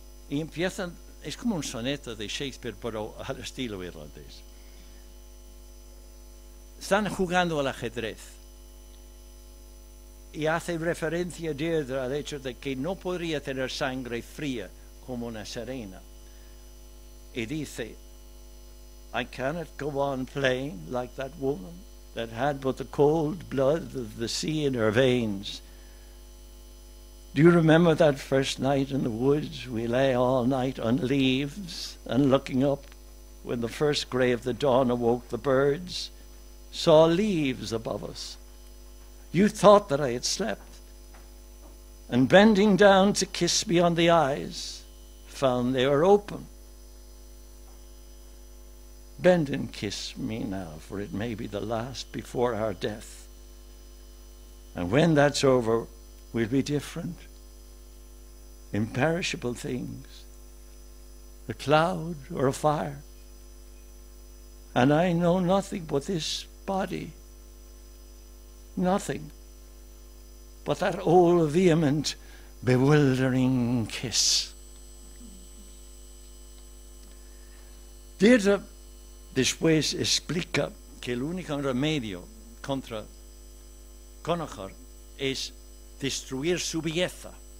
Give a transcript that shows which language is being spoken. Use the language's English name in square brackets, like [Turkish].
[Spanish] Y empiezan, es como un soneto de Shakespeare, pero al estilo irlandés. Están jugando al ajedrez. Y hace referencia Deirdre al hecho de que no podría tener sangre fría como una serena. Y dice: [English] I cannot go on playing like that woman that had but the cold blood of the sea in her veins. Do you remember that first night in the woods? We lay all night on leaves and looking up when the first gray of the dawn awoke the birds, saw leaves above us You thought that I had slept, and bending down to kiss me on the eyes, found they were open. Bend and kiss me now, for it may be the last before our death. And when that's over, we'll be different. Imperishable things, a cloud or a fire. And I know nothing but this body, nothing but that old vehement, bewildering kiss. [Spanish] Deirdre después explica que el único remedio contra Connachar es destruir su belleza.